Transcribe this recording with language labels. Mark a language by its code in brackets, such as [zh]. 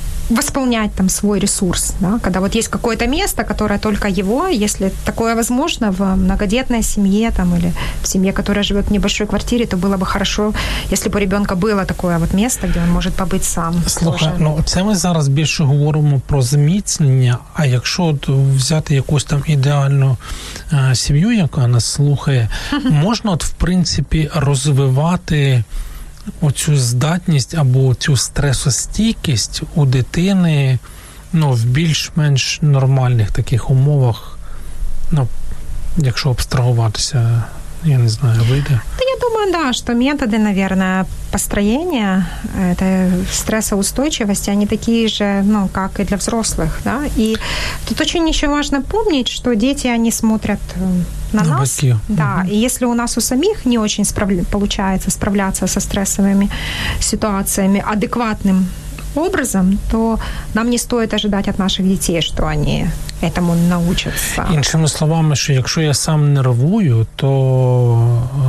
[ru] восполнять там свой ресурс, да, когда вот есть какое-то место, которое только его, если такое возможно в многодетной семье там или в семье, которая живет в небольшой квартире, то было бы хорошо, если бы у ребенка было такое вот место, где он может побыть сам. [uk] Слушай, це ми зараз більше говоримо про зміцнення, а якщо взяти якусь там ідеальну сім'ю, яка нас слухає, можна в принципі розвивати оцю здатність або цю стресостійкість у дитини в більш-менш нормальних таких умовах, якщо абстрагуватися, я не знаю, вийде? Та я думаю, да, що методи, [ru] наверное, [uk] построєння стресоустойчивості, вони такі ж, як і для взрослих, да? І тут [ru] очень [uk] ще [ru] важно помнить, [uk] що діти, вони смотрять на нас, да. [ru] И если у нас у самих не очень получается справляться со стрессовыми ситуациями адекватным образом, то нам не стоит ожидать от наших детей, что они этому научатся. Иншими словами, что если я сам нервую, то...